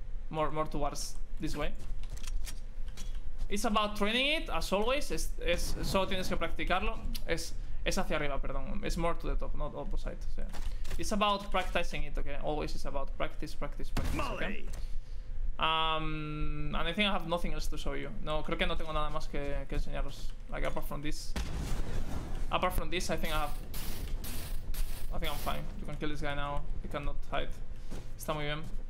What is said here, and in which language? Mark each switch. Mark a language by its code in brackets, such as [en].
[en] More towards this way. It's about training it, as always. [es] Solo tienes que practicarlo. Es hacia arriba, perdón. [en] It's more to the top, not opposite. So, yeah. It's about practicing it, okay? Always it's about practice, Molly. Okay? And I think I have nothing else to show you. [es] No, creo que no tengo nada más que enseñaros. [en] Like, apart from this, I think I'm fine. You can kill this guy now. He cannot hide. [es] Está muy bien.